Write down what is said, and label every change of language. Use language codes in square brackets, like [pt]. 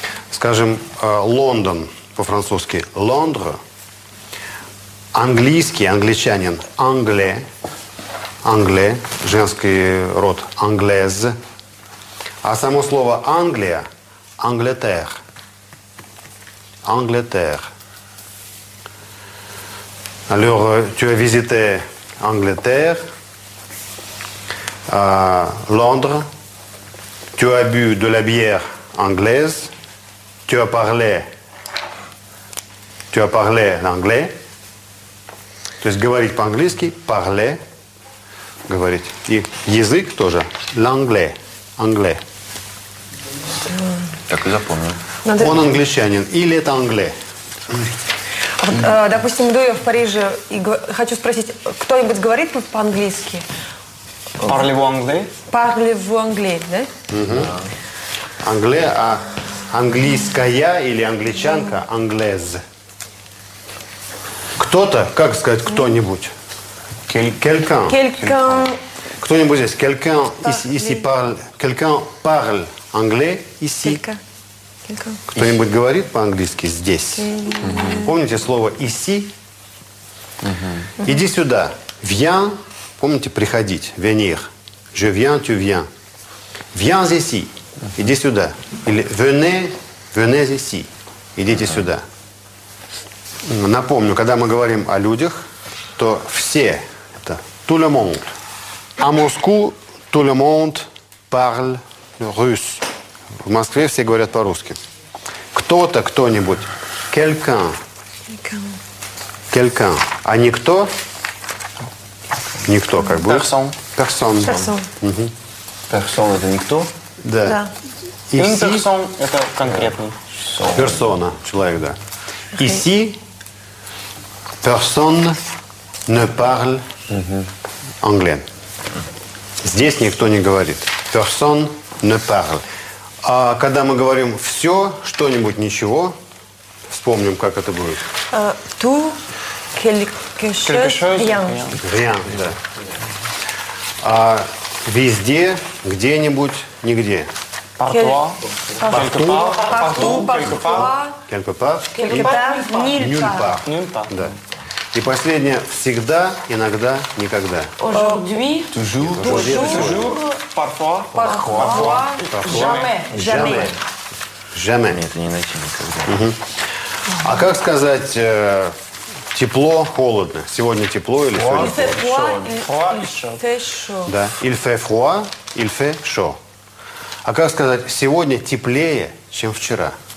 [ru] Скажем, Лондон по-французски Лондро, английский англичанин Англе, Англе, женский род Англез, а само слово Англия Англетер, Англетер. [fr] Alors, tu as visité Angleterre, Londres, tu as bu de la bière anglaise, tu as parlé l'anglais, [ru] то есть говорить по-английски, [fr] parler, [ru] говорить, [fr] и язык тоже, l'anglais, anglais. [ru] Так и запомнил. Он англичанин, или это anglais? Допустим, иду я в Париже и хочу спросить, кто-нибудь говорит по-английски? [fr] Parlez-vous anglais? Parlez-vous anglais, да? [ru] Англе, а английская или англичанка – anglaise. Кто-то, как сказать кто-нибудь? [fr] Quelqu'un. Quelqu'un. [ru] Кто-нибудь здесь? [fr] Quelqu'un ici parle. Quelqu'un parle anglais ici. [ru] Кто-нибудь говорит по-английски здесь? Помните слово «ici»? Иди сюда. [fr] «Viens» – [ru] помните «приходить»? [fr] «Venir». «Je viens, tu viens». «Viens ici» – [ru] иди сюда. [fr] Или «Venez, venez ici» – [ru] идите сюда. Напомню, когда мы говорим о людях, то все – это «tout le monde». [fr] «À Moscou, tout le monde parle russe». [ru] В Москве все говорят по-русски. Кто-то, кто-нибудь. [fr] Quelqu'un. Quelqu'un. [ru] А никто? Никто, как бы. [fr] Personne. Personne. Personne. [ru] Personne, это никто? Да. Une personne, это конкретный. Персона, человек, да. [fr] Ici, personne ne parle anglais. [ru] Здесь никто не говорит. [fr] Personne ne parle. [ru] А когда мы говорим «все», «что-нибудь», «ничего», вспомним, как это будет. [fr] «Tout quelque chose, rien». «Rien», да. [ru] А «везде», «где-нибудь», «нигде». [fr] «Partout». «Partout». «Partout», «quelque part». «Quelque part». «Quelque part». «Nulle part». «Nulle part». [ru] Да. И последнее – «всегда», «иногда», «никогда». [fr] «Aujourd'hui», «toujours», «toujours», «parfois», «jamais», «jamais». [ru] «Jamais». «Это не найти никогда». А как сказать «тепло», «холодно»? «Сегодня тепло» или «сегодня»? [fr] «Il fait froid», «il fait chaud». [ru] Да. [fr] «Il fait froid», «il fait chaud». [ru] А как сказать «сегодня теплее, чем вчера»?